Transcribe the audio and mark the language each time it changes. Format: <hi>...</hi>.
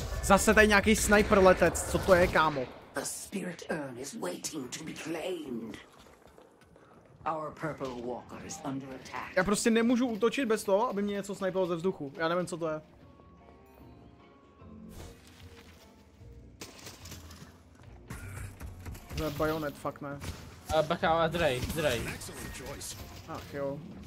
<cs>Zase tady nějaký sniper letec, co to je, kámo?</cs> <en>The spirit urn is waiting to be claimed. Our purple walker is under attack.</en> <cs>Já prostě nemůžu útočit bez toho, aby mě něco snipelo ze vzduchu. Já nevím, co to je. To je bajonet, fakt ne. Bacha, Drej. Ach jo.</cs>